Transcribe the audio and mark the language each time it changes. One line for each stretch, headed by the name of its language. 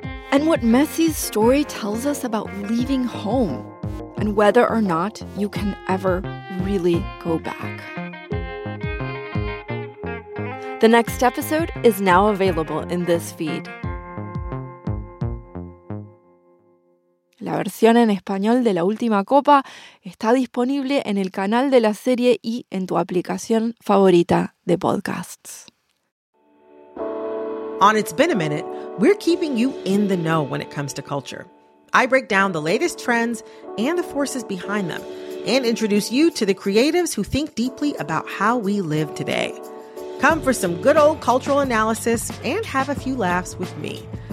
English: And what Messi's story tells us about leaving home and whether or not you can ever really go back. The next episode is now available in this feed.
Spanish: La versión en español de la última copa está disponible en el canal de la serie y en tu aplicación favorita de podcasts.
English: On It's Been a Minute, we're keeping you in the know when it comes to culture. I break down the latest trends and the forces behind them and introduce you to the creatives who think deeply about how we live today. Come for some good old cultural analysis and have a few laughs with me.